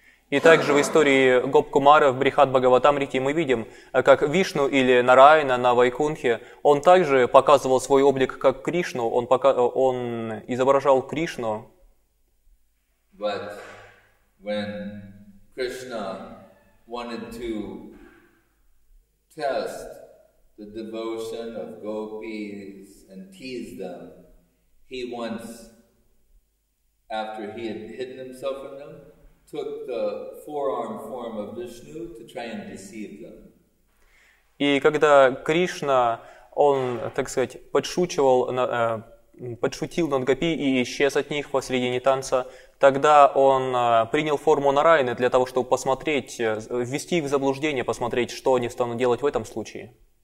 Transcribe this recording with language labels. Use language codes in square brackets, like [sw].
[ru] И также в истории Гоп-Кумара в Брихат-Бхагаватамрите мы видим, как Вишну или Нараяна на Вайкунхе, он также показывал свой облик как Кришну, он изображал Кришну. [en] But when Krishna wanted to test the devotion of gopis and tease them, he once, after he had hidden himself from them, took the forearm form of Vishnu to try and deceive them. [ru] И когда Кришна, он, так сказать, подшутил над гопи и исчез от них посредине танца, тогда он принял форму Нараяны для того, чтобы посмотреть, ввести их в заблуждение, посмотреть, что они станут делать в этом случае.